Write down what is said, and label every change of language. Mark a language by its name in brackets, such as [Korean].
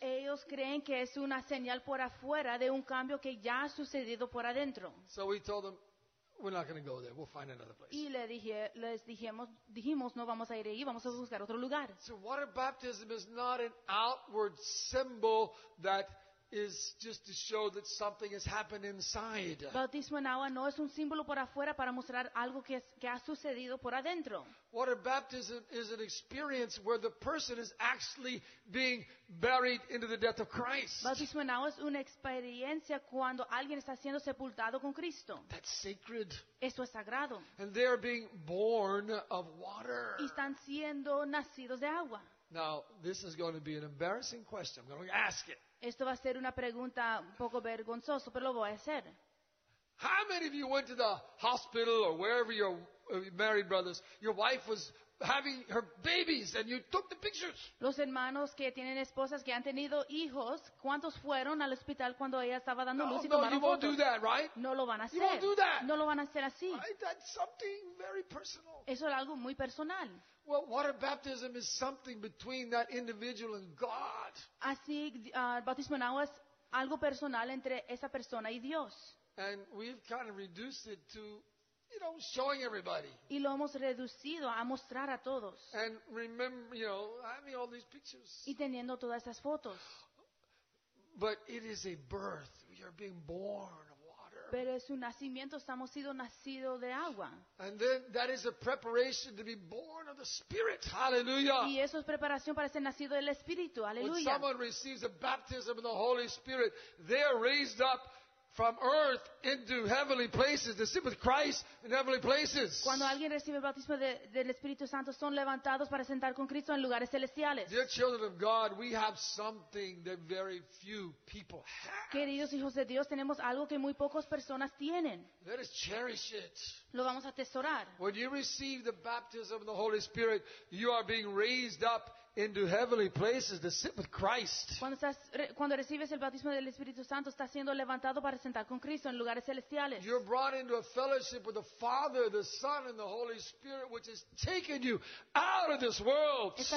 [Spanish] Ellos creen que es una señal por afuera de un cambio que ya ha sucedido por adentro. [English] So we told them, we're not going to go there. We'll find another place. [Spanish] Y les dijimos, no vamos a ir ahí, vamos a buscar otro lugar. [English] So water baptism is not an outward symbol that is just to show that something has happened inside. [Spanish] Bautismo en agua no es un símbolo por afuera para mostrar algo que ha sucedido por adentro. [English] Water baptism is an experience where the person is actually being buried into the death of Christ. [Spanish] Bautismo en agua es una experiencia cuando alguien está siendo sepultado con Cristo. [English] That's sacred. [Spanish] Eso es sagrado. [English] And they are being born of water. [Spanish] Y están siendo nacidos de agua. [English] Now, this is going to be an embarrassing question. I'm going to ask it. [Spanish] Esto va a ser una pregunta un poco vergonzosa, pero lo voy a hacer. [English] How many of you went to the hospital or wherever your married brothers, your wife was having her babies and you took the pictures? [Spanish] Los hermanos que tienen esposas que han tenido hijos, ¿cuántos fueron al hospital cuando ella estaba dando luz y tomaron fotos? [English] No, you won't do that, right? [Spanish] No lo van a hacer. [English] You won't do that. [Spanish] No lo van a hacer así. [English] Right? That's something very personal. [Spanish] Eso es algo muy personal. [English] Well, water baptism is something between that individual and God. [Spanish] Así, bautismo en agua es algo personal entre esa persona y Dios. [English] And we've kind of reduced it to, you know, showing everybody. [Spanish] Y lo hemos reducido a mostrar a todos. [English] And remember, you know, having all these pictures. [Spanish] Y teniendo todas esas fotos. [English] But it is a birth. We are being born. [Spanish] Pero es un nacimiento, estamos sido nacido de agua. [English] And then that is a preparation to be born of the Spirit. Hallelujah. [Spanish] Y eso es preparación para ser nacido del Espíritu. Hallelujah. [English] When someone receives a baptism of the Holy Spirit, they are raised up from earth into heavenly places to sit with Christ in heavenly places. [Spanish] Cuando alguien recibe el bautismo del Espíritu Santo, son levantados para sentar con Cristo en lugares celestiales. [English] Dear children of God, we have something that very few people have. [Spanish] Queridos hijos de Dios, tenemos algo que muy pocas personas tienen. [English] Let us cherish it. [Spanish] Lo vamos a atesorar. [English] When you receive the baptism of the Holy Spirit, you are being raised up into heavenly places to sit with Christ. [Spanish] Cuando recibes el bautismo del Espíritu Santo, estás siendo levantado para sentar con Cristo en lugares celestiales. [English] You're brought into a fellowship with the Father, the Son, and the Holy Spirit, which has taken you out of this world.